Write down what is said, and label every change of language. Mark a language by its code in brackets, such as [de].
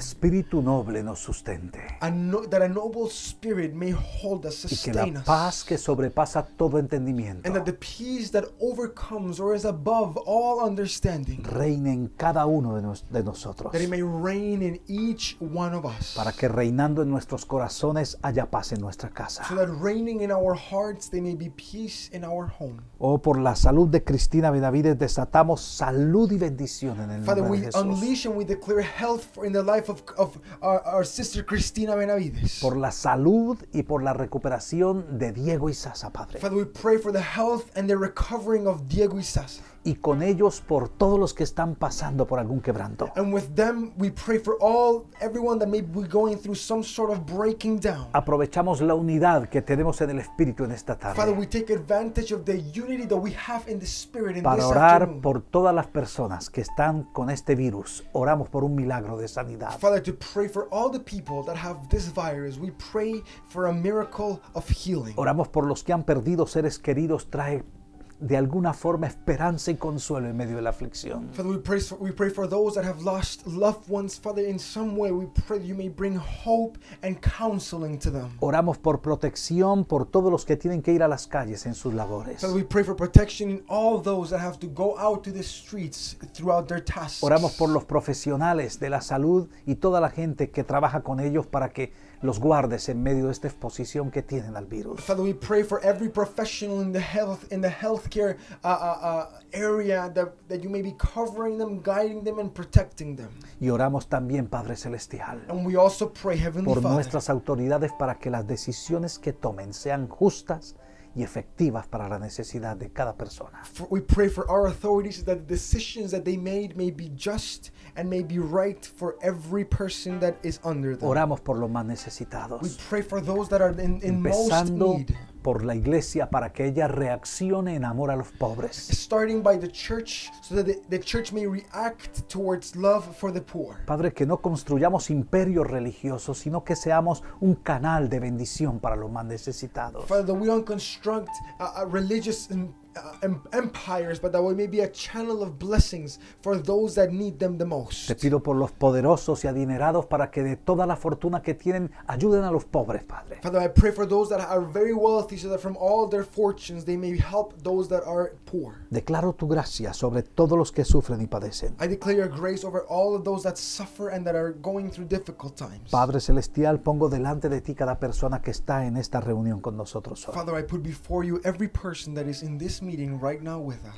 [es] Espíritu noble nos sustente. [en] That a noble spirit may hold us, sustain us. [es] Y que la paz que sobrepasa todo entendimiento. [en] And that the peace that overcomes or is above all understanding. [es] Reine en cada uno de nosotros. [en] That it may reign in each one of us. [es] Para que reinando en nuestros corazones haya paz en nuestra casa. [en] So that reigning in our hearts, there may be peace in our home. [es] Oh, por la salud de Cristina Benavides, desatamos salud y bendición en el [en] Father, [es] nombre de Jesús. [en] Father, we unleash and we declare health in the life of our sister Cristina Benavides. [es] Por la salud y por la recuperación de Diego y Sasa, Padre. [en] Father, we pray for the health and the recovering of Diego y Sasa. [es] y con ellos por todos los que están pasando por algún quebranto. [en] And with them we pray for all everyone that may be going through some sort of breaking down. [es] Aprovechamos la unidad que tenemos en el espíritu en esta tarde. [en] Father, we take advantage of the unity that we have in the spirit in this afternoon. [es] Para orar por todas las personas que están con este virus. Oramos por un milagro de sanidad. [en] Father, to pray for all the people that have this virus. We pray for a miracle of healing. [es] Oramos por los que han perdido seres queridos. Trae de alguna forma esperanza y consuelo en medio de la aflicción. [en] Father, we pray for those that have lost loved ones. Father, in some way we pray that you may bring hope and counseling to them. [es] Oramos por protección por todos los que tienen que ir a las calles en sus labores. [en] Father, we pray for protection in all those that have to go out to the streets throughout their tasks. [es] Oramos por los profesionales de la salud y toda la gente que trabaja con ellos para que los guardes en medio de esta exposición que tienen al virus. [en] Father, we pray for every professional in the healthcare area that you may be covering them, guiding them and protecting them. [es] Y oramos también, Padre Celestial, [en] and we also pray, Heavenly [es] por [en] Father, [es] nuestras autoridades para que las decisiones que tomen sean justas y efectivas para la necesidad de cada persona. [en] We pray for our authorities that the decisions that they made may be just and may be right for every person that is under them. [es] Oramos por los más necesitados. [en] We pray for those that are in most need. [es] Por la iglesia para que ella reaccione en amor a los pobres. [en] Starting by the church so that the church may react towards love for the poor. [es] Padre, que no construyamos imperios religiosos, sino que seamos un canal de bendición para los más necesitados. [en] Father, that we don't construct a religious empires, but that we may be a channel of blessings for those that need them the most. [es] Te pido por los poderosos y adinerados para que de toda la fortuna que tienen ayuden a los pobres, Padre. [en] Father, I pray for those that are very wealthy so that from all their fortunes they may help those that are poor. [es] Declaro tu gracia sobre todos los que sufren y padecen. [en] I declare your grace over all of those that suffer and that are going through difficult times. [es] Padre Celestial, pongo delante de ti cada persona que está en esta reunión con nosotros hoy. [en] Father, I put before you every person that is in this meeting right now with us.